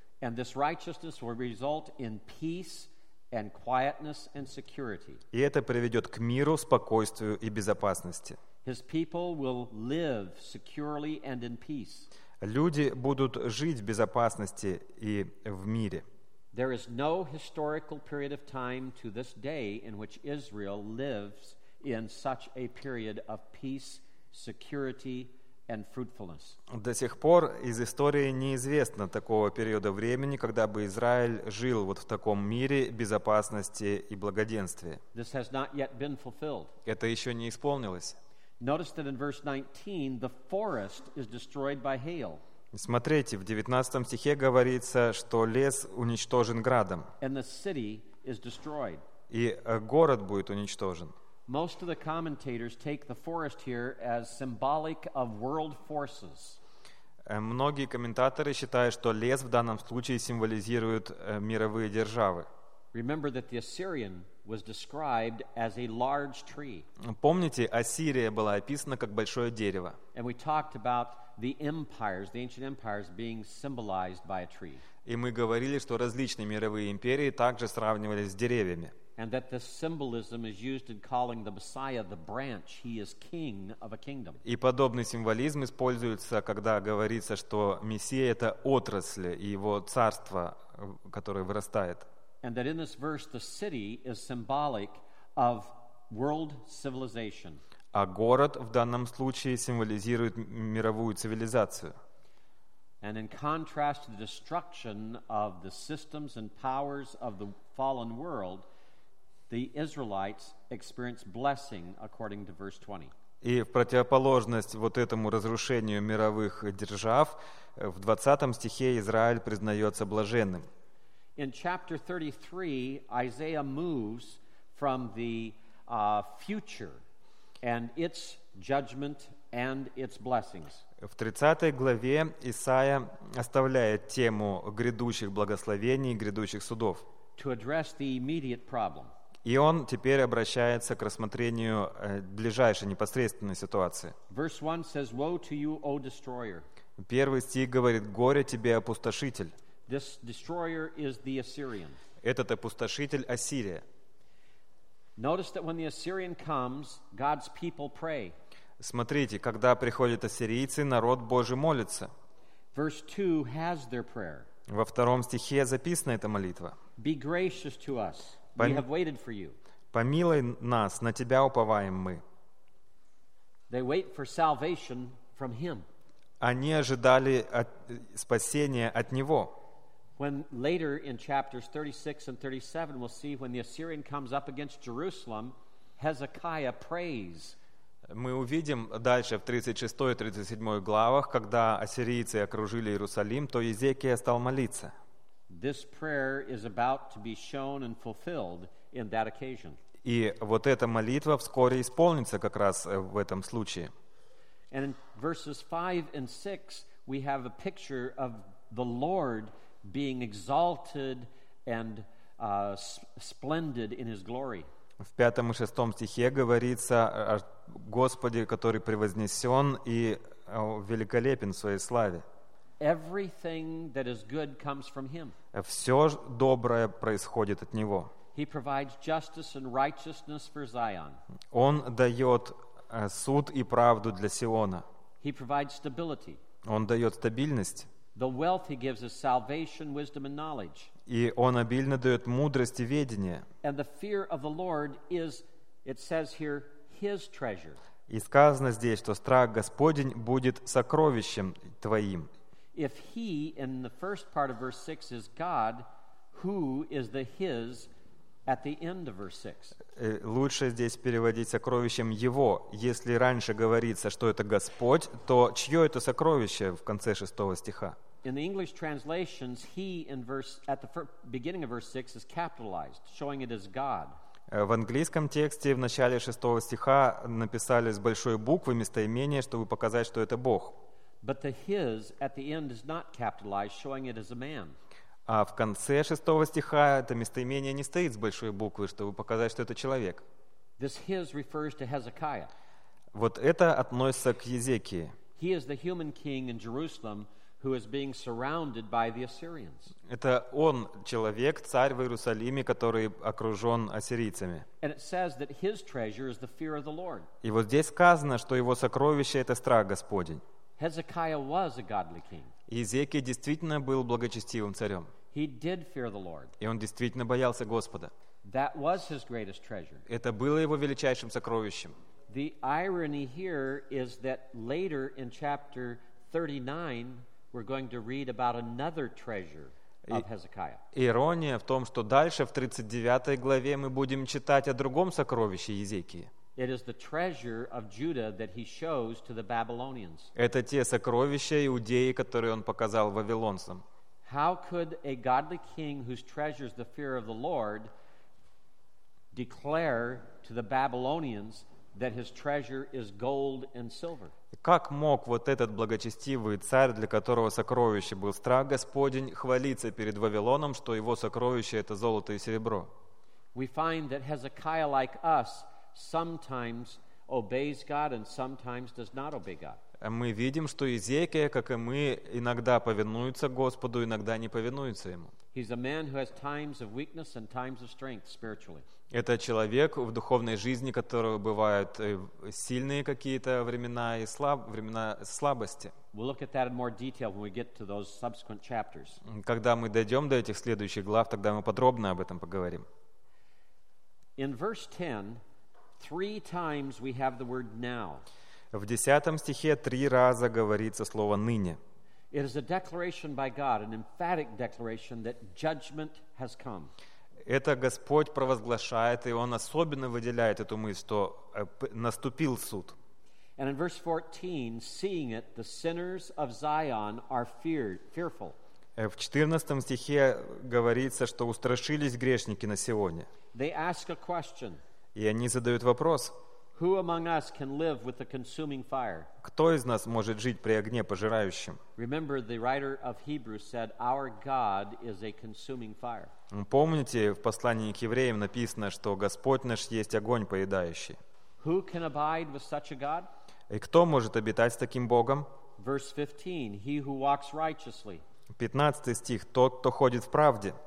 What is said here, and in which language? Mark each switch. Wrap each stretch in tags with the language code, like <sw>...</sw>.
<en>And this righteousness will result in peace and quietness and security.</en> <ru>И это приведет к миру, спокойствию и безопасности.</ru> <en>His people will live securely and in peace.</en> <ru>Люди будут жить в безопасности и в мире.</ru> <en>There is no historical period of time to this day in which Israel lives in such a period of peace, security, and fruitfulness.</en> <ru>До сих пор из истории неизвестно такого периода времени, когда бы Израиль жил вот в таком мире безопасности и благоденствия.</ru> <en>This has not yet been fulfilled.</en> <ru>Это еще не исполнилось.</ru> <en>Notice that in verse 19 the forest is destroyed by hail.</en> <ru>Смотрите, в 19 стихе говорится, что лес уничтожен градом.</ru> <en>And the city is destroyed.</en> <ru>И город будет уничтожен.</ru> <en>Most of the commentators take the forest here as symbolic of world forces.</en> <ru>Многие комментаторы считают, что лес в данном случае символизирует мировые державы.</ru> <en>Remember that the Assyrian was described as a large tree.</en> <ru>Помните, Ассирия была описана как большое дерево.</ru> <en>And we talked about the empires, the ancient empires being symbolized by a tree.</en> <ru>И мы говорили, что различные мировые империи также сравнивались с деревьями.</ru> <en>And that the symbolism is used in calling the Messiah the branch. He is king of a kingdom.</en> <ru>И подобный символизм используется, когда говорится, что Мессия — это отрасль и его царство, которое вырастает.</ru> <en>And that in this verse the city is symbolic of world civilization.</en> <ru>А город в данном случае символизирует мировую цивилизацию.</ru> <en>And in contrast to the destruction of the systems and powers of the fallen world, the Israelites experience blessing according to verse 20.</en> <ru>И в противоположность вот этому разрушению мировых держав, в 20 стихе Израиль признается блаженным.</ru> <en>In chapter 33, Isaiah moves from the future and its judgment and its blessings.</en> <ru>В 30 главе Исаия оставляет тему грядущих благословений, грядущих судов.</ru> <en>To address the immediate problem.</en> <ru>И он теперь обращается к рассмотрению ближайшей непосредственной ситуации.</ru> <en>Verse 1 says, "Woe to you, O destroyer."</en> <ru>Первый стих говорит: "Горе тебе, опустошитель."</ru> <en>This destroyer is the Assyrian.</en> <ru>Этот опустошитель — Ассирия.</ru> <en>Notice that when the Assyrian comes, God's people pray.</en> <ru>Смотрите, когда приходят ассирийцы, народ Божий молится.</ru> <en>Verse 2 has their prayer.</en> <ru>Во втором стихе записана эта молитва.</ru> <en>Be gracious to us. We have waited for you.</en> <ru>Помилуй нас, на тебя уповаем мы.</ru> <en>They wait for salvation from him.</en> <ru>Они ожидали спасения от него.</ru> <en>When later in chapters 36 and 37 we'll see when the Assyrian comes up against Jerusalem, Hezekiah prays.</en> <ru>Мы увидим дальше в 36 и 37 главах, когда ассирийцы окружили Иерусалим, то Езекия стал молиться.</ru> <en>This prayer is about to be shown and fulfilled in that occasion.</en> <ru>И вот эта молитва вскоре исполнится как раз в этом случае.</ru> <en>And in verses 5 and 6 we have a picture of the Lord being exalted and splendid in his glory.</en> <ru>В 5 и 6 стихе говорится о Господе, который превознесен и великолепен в своей славе.</ru> <en>Everything that is good comes from him.</en> <ru>Все доброе происходит от него.</ru> <en>He provides justice and righteousness for Zion.</en> <ru>Он дает суд и правду для Сиона.</ru> <en>He provides stability.</en> <ru>Он дает стабильность.</ru> <en>The wealth he gives is salvation, wisdom, and knowledge.</en> <ru>И он обильно дает мудрость и ведение.</ru> <en>And the fear of the Lord is, it says here, his treasure.</en> <ru>И сказано здесь, что страх Господень будет сокровищем твоим.</ru> <en>If he, in the first part of verse 6, is God, who is the his at the end of verse 6?</en> <ru>Лучше здесь переводить сокровищем его. Если раньше говорится, что это Господь, то чье это сокровище в конце шестого стиха?</ru> <en>In the English translations, he in verse, at the beginning of verse 6 is capitalized, showing it as God.</en> <ru>В английском тексте в начале шестого стиха написали с большой буквы местоимение, чтобы показать, что это Бог.</ru> <en>But the his at the end is not capitalized, showing it as a man.</en> <ru>А в конце шестого стиха это местоимение не стоит с большой буквы, чтобы показать, что это человек.</ru> <en>This his refers to Hezekiah.</en> <ru>Вот это относится к Езекии.</ru> <en>He is the human king in Jerusalem who is being surrounded by the Assyrians.</en> <ru>Это он, человек, царь в Иерусалиме, который окружен ассирийцами.</ru> <en>And it says that his treasure is the fear of the Lord.</en> <ru>И вот здесь сказано, что его сокровище — это страх Господень.</ru> <en>Hezekiah was a godly king.</en> <ru>Езекия действительно был благочестивым царем.</ru> <en>He did fear the Lord.</en> <ru>И он действительно боялся Господа.</ru> <en>That was his greatest treasure.</en> <ru>Это было его величайшим сокровищем.</ru> <en>The irony here is that later in chapter 39 we're going to read about another treasure of Hezekiah.</en> <ru>Ирония в том, что дальше в 39 главе мы будем читать о другом сокровище Езекии.</ru> <en>It is the treasure of Judah that he shows to the Babylonians.</en> <ru>Это те сокровища Иудеи, которые он показал вавилонцам.</ru> <en>How could a godly king whose treasures the fear of the Lord declare to the Babylonians that his treasure is gold and silver?</en> <ru>Как мог вот этот благочестивый царь, для которого сокровище был страх Господень, хвалиться перед Вавилоном, что его сокровище — это золото и серебро?</ru> <en>We find that Hezekiah, like us, sometimes obeys God and sometimes does not obey God.</en> <ru>Мы видим, что Иезекия, как и мы, иногда повинуется Господу, иногда не повинуется ему.</ru> <en>He's a man who has times of weakness and times of strength spiritually.</en> <ru>Это человек в духовной жизни, которого бывают сильные какие-то времена и времена слабости.</ru> <en>We'll look at that in more detail when we get to those subsequent chapters.</en> <ru>Когда мы дойдем до этих следующих глав, тогда мы подробно об этом поговорим.</ru> <en>In verse 10, three times we have the word now.</en> <ru>В 10 стихе три раза говорится слово «ныне».</ru> <en>It is a declaration by God, an emphatic declaration that judgment has come.</en> <ru>Это Господь провозглашает, и Он особенно выделяет эту мысль, что наступил суд.</ru> <en>And in verse 14, seeing it, the sinners of Zion are fearful.</en> <ru>В 14 стихе говорится, что устрашились грешники на Сионе.</ru> <en>They ask a question.</en> <ru>И они задают вопрос.</ru> <en>Who among us can live with a consuming fire?</en> <ru>Кто из нас может жить при огне пожирающем?</ru> <en>Remember, the writer of Hebrews said, "Our God is a consuming fire."</en> <ru>Помните, в послании к евреям написано, что Господь наш есть огонь поедающий.</ru> <en>Who can abide with such a God?</en> <ru>И кто может обитать с таким Богом?</ru> <en>Verse 15: He who walks righteously.</en> <ru>15 стих: Тот, кто ходит в правде.</ru>